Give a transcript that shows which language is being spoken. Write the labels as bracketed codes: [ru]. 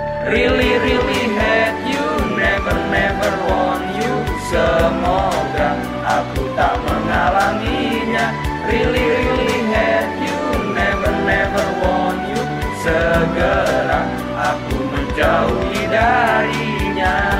[en] Really, really hate you, never, never want you. [id] Semoga aku tak mengalaminya. [en] Really, really hate you, never, never want you. [id] Segera aku menjauhi darinya.